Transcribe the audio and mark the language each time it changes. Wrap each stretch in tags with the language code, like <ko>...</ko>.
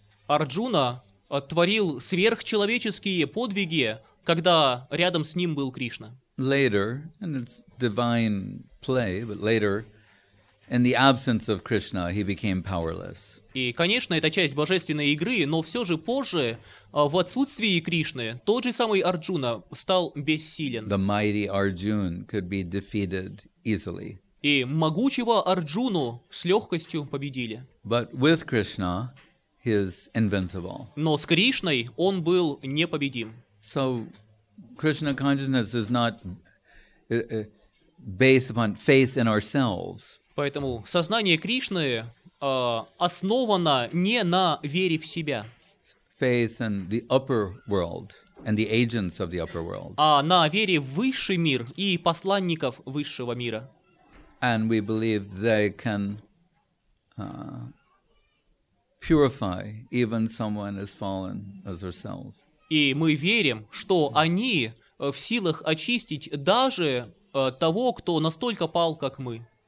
<ru>Арджуна творил сверхчеловеческие подвиги, когда рядом с ним был Кришна.</ru> <en>Later, and it's divine play, but later, in the absence of Krishna, he became powerless.</en> <ru>И, конечно, это часть божественной игры, но все же позже, в отсутствии Кришны, тот же самый Арджуна стал бессилен.</ru> <en>The mighty Arjun could be defeated easily.</en> <ru>И могучего Арджуну с легкостью победили.</ru> <en>But with Krishna, he is invincible.</en> <ru>Но с Кришной он был непобедим.</ru> <en>So Krishna consciousness is not based upon faith in ourselves.</en> <ru>Поэтому сознание Кришны основано не на вере в себя.</ru> <en>Faith in the upper world and the agents of the upper world.</en> <ru>А на вере в высший мир и посланников высшего мира.</ru> <en>And we believe they can purify even someone as fallen as ourselves.</en> <ru>И мы верим, что они в силах очистить даже того, кто настолько пал, как мы.</ru>